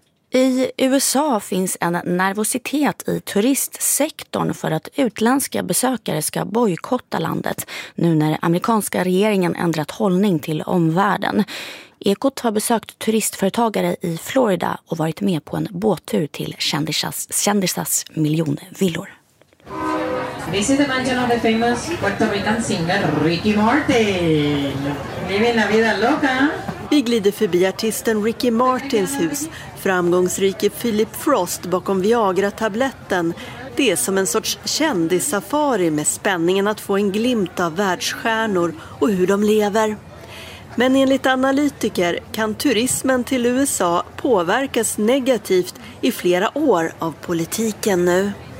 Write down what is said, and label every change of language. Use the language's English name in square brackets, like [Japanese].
[Swedish] I USA finns en nervositet i turistsektorn för att utländska besökare ska bojkotta landet nu när amerikanska regeringen ändrat hållning till omvärlden. Ekot har besökt turistföretagare i Florida och varit med på en båttur till kändisars miljonvillor. [English] This is the mansion of the famous Puerto Rican singer Ricky Martin. Living la vida loca. [Swedish] Vi glider förbi artisten Ricky Martins hus, framgångsrike Philip Frost bakom Viagra-tabletten. Det är som en sorts kändissafari med spänningen att få en glimt av världsstjärnor och hur de lever. Men enligt analytiker kan turismen till USA påverkas negativt i flera år av politiken nu.